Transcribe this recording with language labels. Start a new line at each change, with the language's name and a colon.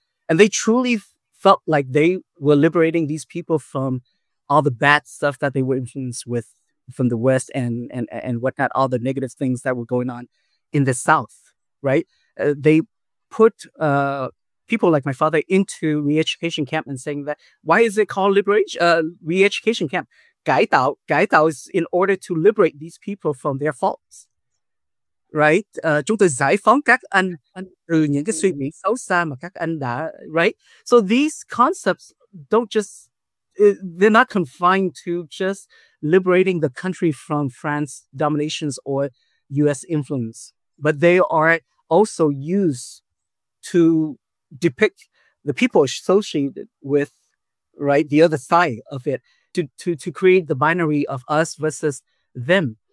English: And they truly felt like they were liberating these people from all the bad stuff that they were influenced with from the West and whatnot, all the negative things that were going on in the South, right? They put people like my father into re-education camp and saying that, why is it called liberation? Re-education camp. Gai tao is in order to liberate these people from their faults, right?
Vietnamese: Chúng tôi giải phóng các anh từ những cái suy nghĩ xấu xa mà các anh đã, right?
English: So these concepts they're not confined to just liberating the country from France dominations or US influence, but they are also used to depict the people associated with, right, the other side of it, to create the binary of us versus them.